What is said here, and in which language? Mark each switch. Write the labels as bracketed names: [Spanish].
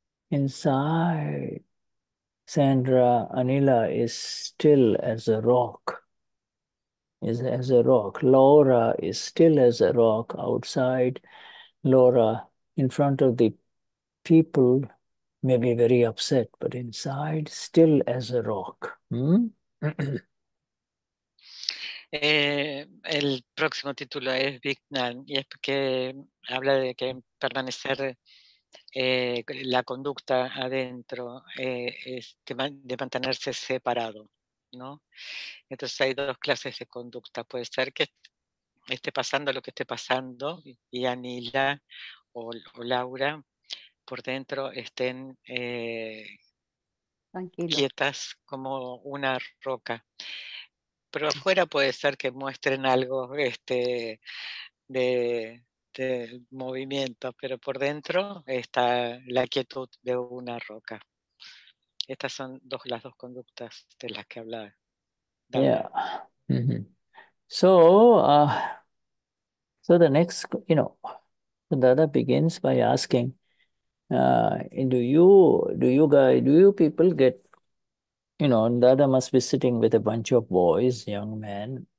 [English] Inside, Sandra, Anila is still as a rock. Is as a rock. Laura is still as a rock outside. Laura, in front of the people, may be very upset, but inside, still as a rock. [Spanish] El próximo título es Vignan, y es que habla de que permanecer la conducta adentro es de mantenerse separado, ¿no? Entonces hay dos clases de conducta. Puede ser que esté pasando lo que esté pasando y Anila o Laura por dentro estén tranquilo, quietas como una roca. Pero afuera puede ser que muestren algo de movimiento, pero por dentro está la quietud de una roca. Estas son las dos conductas de las que hablaba. [English] Yeah. So the next, Dada begins by asking, do you people get, Dada must be sitting with a bunch of boys, young men.